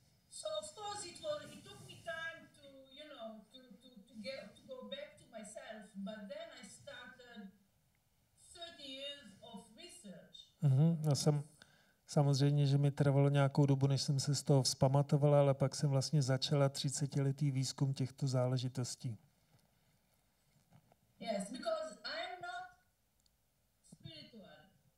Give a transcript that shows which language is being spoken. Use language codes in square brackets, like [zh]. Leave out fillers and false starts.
[en] So of course it took me time to, you know, to go back to myself, but then I started 30 years of research. [cs] Samozřejmě, že mi trvalo nějakou dobu, než jsem se z toho vzpamatovala, ale pak jsem vlastně začala 30letý výzkum těchto záležitostí. [en] Yes, because I'm not spiritual.